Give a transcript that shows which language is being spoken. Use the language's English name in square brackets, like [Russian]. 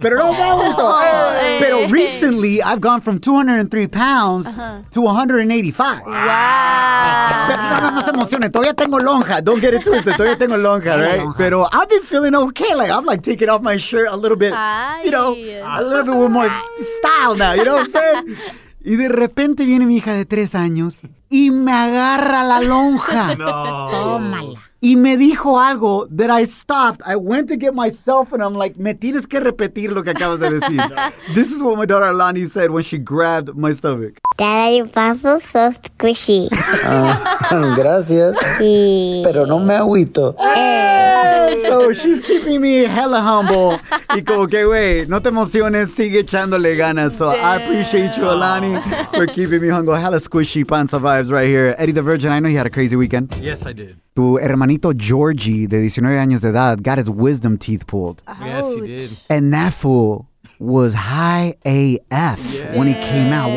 [Spanish] Pero no vamos. [English] Pero recently, I've gone from 203 pounds to 185. Wow. [Spanish] Pero no se emocione. Todavía tengo lonja. [English] Don't get it twisted. [Spanish] Todavía tengo lonja, right? [English] Pero I've been feeling okay. Like, I'm, like, taking off my shirt a little bit, you know, a little bit with more style now. You know what I'm saying? [Spanish] Y de repente viene mi hija de 3 años y me agarra la lonja. No. Tómala. Y me dijo algo [English] that I stopped. I went to get my cell phone. I'm like, [Spanish] me tienes que repetir lo que acabas de decir. [English] This is what my daughter Alani said when she grabbed my stomach. Dad, you paso so squishy. [Spanish] Gracias. Sí. Pero no me agüito. [English] So she's keeping me hella humble. [Spanish] Y como que, güey, no te emociones, sigue echándole ganas. [English] So damn. I appreciate you, Alani, for keeping me humble. Hella squishy panza vibes right here. Eddie the Virgin, I know you had a crazy weekend. Yes, I did. [Spanish] Tu hermanito Georgie, de 19 años de edad, [English] got his wisdom teeth pulled. Ouch. Yes, he did. And that fool was high AF when he came out.